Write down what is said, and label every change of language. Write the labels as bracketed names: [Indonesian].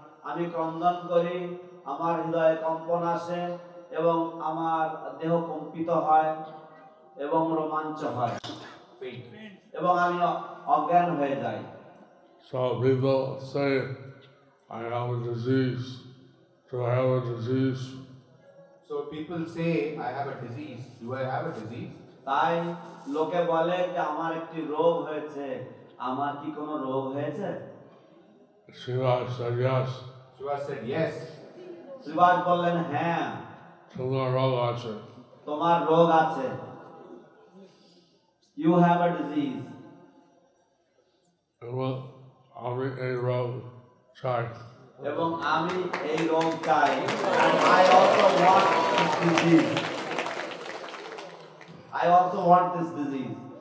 [Bangla] আমি ক্রন্দন করি, আমার হৃদয়ে কম্পন আসে এবং আমার দেহ কম্পিত হয় এবং রোমাঞ্চ হয় এবং আমি অজ্ঞান হয়ে যাই। [English] So people say, I have a disease. Do I have a disease? So people say, I have a disease. Do I have a disease? [Bangla] তাই লোকে বলে যে আমার একটি রোগ হয়েছে। আমার কি কোনো রোগ হয়েছে? [English] Śrīmad said yes. Śrīmad said yes. [Bangla] Śrīmad bolen ha. Tomar rog ache. Tomar rog ache. [English] You have a disease. [Bangla] এবং আমি এই রং চাই এবং আমি এই রং চাই [English] I also want this disease I also want this disease